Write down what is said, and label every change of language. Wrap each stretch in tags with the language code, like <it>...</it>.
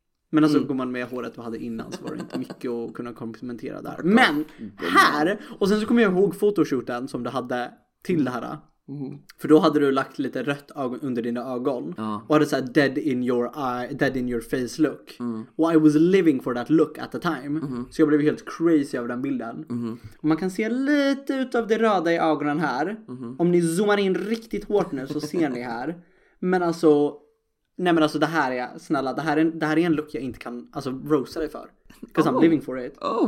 <sv>Men alltså går man med håret vi hade innan så var det inte mycket att kunna komplementera där. Men här, och sen så kommer jag ihåg fotoshooten som du hade till det här. För då hade du lagt lite rött ögon under dina ögon och hade såhär</sv> <en>dead in your eye, dead in your face look.</en> <sv>Och</sv> <en>I was living for that look at the time.</en> <sv>Så jag blev helt crazy över den bilden. Och man kan se lite ut av det röda i ögonen här. Om ni zoomar in riktigt hårt nu så ser ni här. Men alltså, nej men alltså det här är, snälla, det här är en look jag inte kan, alltså, rosa dig för.</sv> <en>Because I'm living for it.</en>